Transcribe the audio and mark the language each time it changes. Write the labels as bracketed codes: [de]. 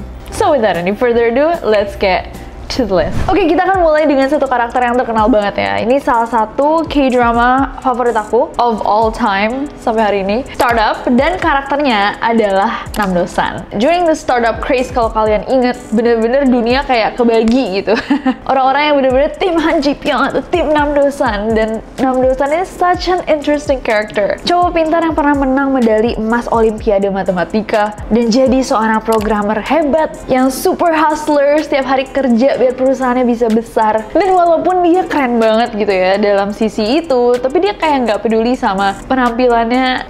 [en] So without any further ado, let's get to the list. [id] Oke, kita akan mulai dengan satu karakter yang terkenal banget ya. Ini salah satu K-drama favorit aku [en] of all time [id] sampai hari ini. Startup, dan karakternya adalah Nam Do-san. [en] During the startup craze, [id] kalau kalian ingat, bener-bener dunia kayak kebagi gitu. Orang-orang yang bener-bener tim Han Ji-pyeong atau tim Nam Do-san. Dan [en] Nam Do-san is such an interesting character. [id] Cowok pintar yang pernah menang medali emas Olimpiade Matematika dan jadi seorang programmer hebat yang super hustler, setiap hari kerja biar perusahaannya bisa besar. Dan walaupun dia keren banget gitu ya dalam sisi itu, tapi dia kayak nggak peduli sama penampilannya.